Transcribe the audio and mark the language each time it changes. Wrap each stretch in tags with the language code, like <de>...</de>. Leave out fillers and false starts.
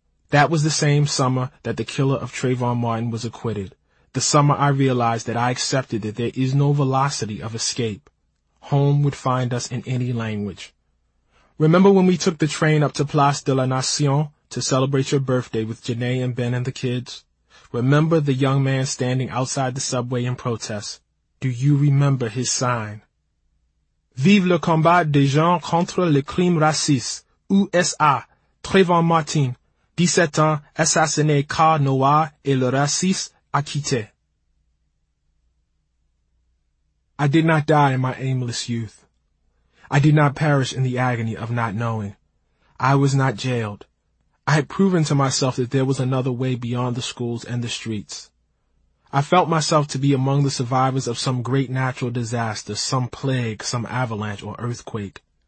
<en>That was the same summer that the killer of Trayvon Martin was acquitted, the summer I realized that I accepted that there is no velocity of escape. Home would find us in any language. Remember when we took the train up to Place de la Nation to celebrate your birthday with Janae and Ben and the kids? Remember the young man standing outside the subway in protest? Do you remember his sign?</en> <fr>Vive le combat des gens contre le crime raciste, USA, Trayvon Martin, 17 ans, assassiné car noir et le raciste acquitté.</fr> <en>I did not die in my aimless youth. I did not perish in the agony of not knowing. I was not jailed. I had proven to myself that there was another way beyond the schools and the streets. I felt myself to be among the survivors of some great natural disaster, some plague, some avalanche or earthquake.</en>